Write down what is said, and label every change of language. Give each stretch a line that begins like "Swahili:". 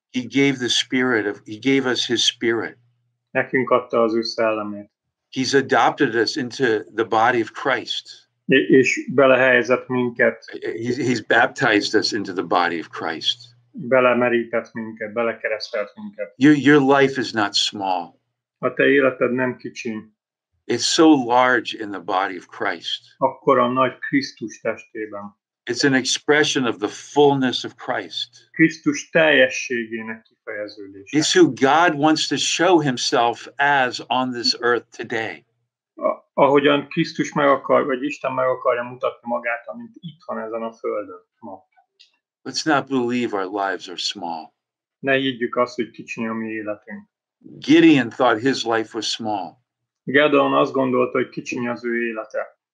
English: He gave the spirit of, he gave us his spirit.
Hungarian: Nekünk adta az ő szellemét.
English: He's adopted us into the body of Christ.
Hungarian: És belehelyezett minket.
English: He's baptized us into the body of Christ.
Hungarian: Belemerített minket, belekeresztelt minket.
English: Your life is not small.
Hungarian: A te életed nem kicsi.
English: It's so large in the body of Christ.
Hungarian: Akkor a nagy Krisztus testében.
English: It's an expression of the fullness of Christ.
Hungarian: Krisztus teljességének kifejeződése.
English: It's who God wants to show himself as on this earth today.
Hungarian: Ahogyan Krisztus meg akar, vagy Isten meg akarja mutatni magát, amint itthon ezen a földön ma.
English: Let's not believe our lives are small.
Hungarian: Ne higgyük azt, hogy kicsi a mi életünk.
English: Gideon thought his life was small.
Hungarian: Gideon azt gondolta, hogy kicsi az ő élete.